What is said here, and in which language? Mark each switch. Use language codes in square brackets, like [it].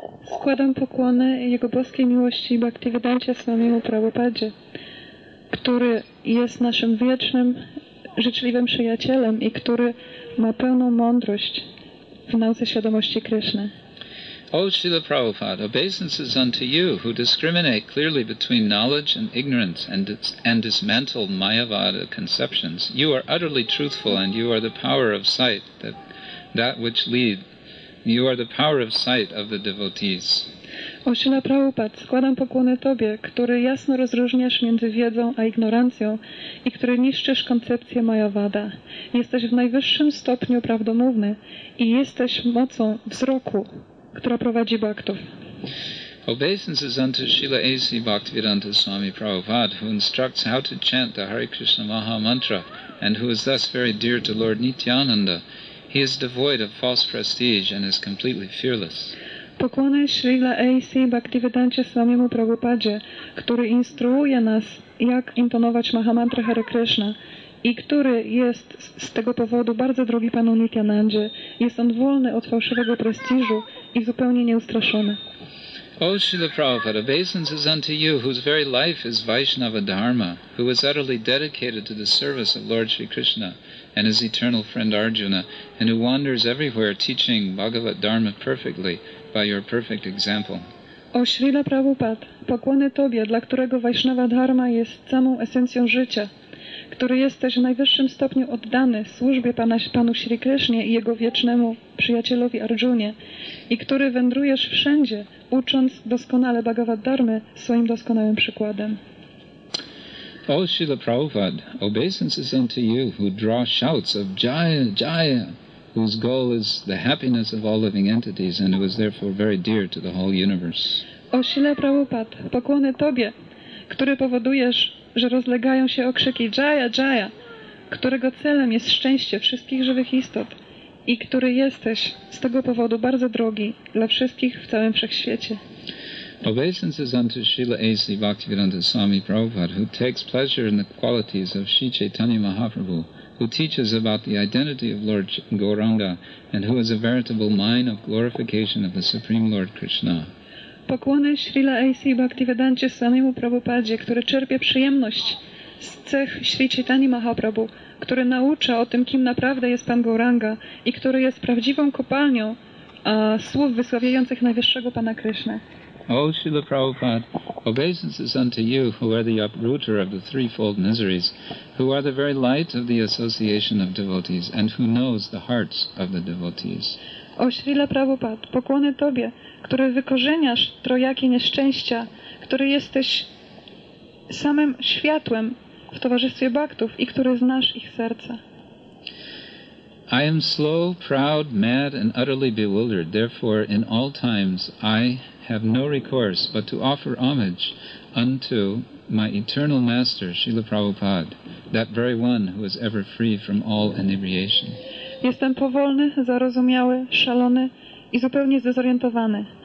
[pl] Składam pokłony Jego boskiej miłości Bhaktivedancie Swamimu Prabhupadzie, który jest naszym wiecznym, życzliwym przyjacielem i który ma pełną mądrość w nauce świadomości Krishna. [en] O Srila Prabhupada, obeisances unto you who discriminate clearly between knowledge and ignorance and dismantle Mayavada conceptions. You are utterly truthful and you are the power of sight that which lead. You are the power of sight of the devotees. [pl] O Srila Prabhupada, składam pokłony Tobie, który jasno rozróżniasz między wiedzą a ignorancją i który niszczysz koncepcję Mayavada. Jesteś w najwyższym stopniu prawdomówny i jesteś mocą wzroku, która prowadzi bhaktów. [en] Obeisances unto Srila A.C. Bhaktivedanta Swami Prabhupada, who instructs how to chant the Hare Krishna Maha Mantra and who is thus very dear to Lord Nityananda. He is devoid of false prestige and is completely fearless. [pl] Pokłony Srila A.C. Bhaktivedanta Swamimu Prabhupadzie, który instruuje nas, jak intonować Maha Mantra Hare Krishna i który jest z tego powodu bardzo drogi panu Nityanandzie. Jest on wolny od fałszywego prestiżu i zupełnie nieustraszony. [en] O Srila Prabhupada, obeisances unto you whose very life is Vaishnava Dharma, who is utterly dedicated to the service of Lord Sri Krishna and his eternal friend Arjuna, and who wanders everywhere teaching Bhagavad Dharma perfectly by your perfect example. [pl] O Srila Prabhupada, pokłony Tobie, dla którego Vaishnava Dharma jest samą esencją życia, który jesteś w najwyższym stopniu oddany służbie Panu Śri Krishnie i Jego wiecznemu przyjacielowi Arjunie i który wędrujesz wszędzie, ucząc doskonale Bhagavad Dharmy swoim doskonałym przykładem. [en] O Śrila Prabhupada, obeisances unto you who draw shouts of Jaya, Jaya, whose goal is the happiness of all living entities and who is therefore very dear to the whole universe. [pl] O Śrila Prabhupada, pokłony Tobie, który powodujesz, że rozlegają się okrzyki Jaya, Jaya, którego celem jest szczęście wszystkich żywych istot i który jesteś z tego powodu bardzo drogi dla wszystkich w całym wszechświecie. [en] Obeisances unto Srila A.C. Bhaktivedanta Swami Prabhupada, who takes pleasure in the qualities of Sri Chaitanya Mahaprabhu, who teaches about the identity of Lord Gauranga and who is a veritable mine of glorification of the Supreme Lord Krishna. [pl] Pokłony Śrila A.C. Bhaktivedanta samemu Prabhupadzie, który czerpie przyjemność z cech Śri Chaitanya Mahaprabhu, który naucza o tym, kim naprawdę jest Pan Gauranga i który jest prawdziwą kopalnią słów wysławiających Najwyższego Pana Krishna. [en] O Śrila Prabhupada, obeisances unto you, who are the uprooter of the threefold miseries, who are the very light of the association of devotees, and who knows the hearts of the devotees. [pl] O Śrila Prabhupada, pokłony Tobie, który wykorzeniasz trojakie nieszczęścia, który jesteś samym światłem w towarzystwie baktów i który znasz ich serca. [en] I am slow, proud, mad and utterly bewildered. Therefore, in all times, I have no recourse but to offer homage unto my eternal master, Śrīla Prabhupāda, that very one who is ever free from all inebriation. [pl] Jestem powolny, zarozumiały, szalony i zupełnie zdezorientowany.